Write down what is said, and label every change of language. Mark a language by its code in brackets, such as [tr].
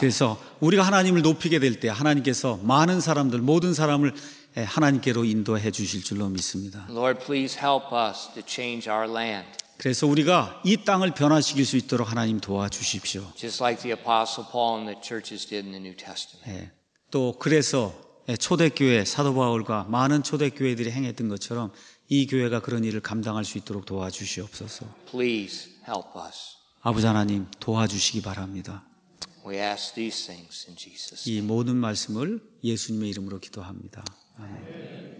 [ko] 그래서 우리가 하나님을 높이게 될 때 하나님께서 많은 사람들, 모든 사람을 하나님께로 인도해 주실 줄로 믿습니다. [en] Lord, please help us to change our land. [ko] 그래서 우리가 이 땅을 변화시킬 수 있도록 하나님 도와주십시오. [en] Just like the Apostle Paul and the churches did in the New Testament. [ko] 또 그래서 초대교회 사도 바울과 많은 초대교회들이 행했던 것처럼 이 교회가 그런 일을 감당할 수 있도록 도와주시옵소서. [en] Please help us. [ko] 아버지 하나님 도와주시기 바랍니다. [en] We ask these things in Jesus' name. [ko] 이 모든 말씀을 예수님의 이름으로 기도합니다. 아멘.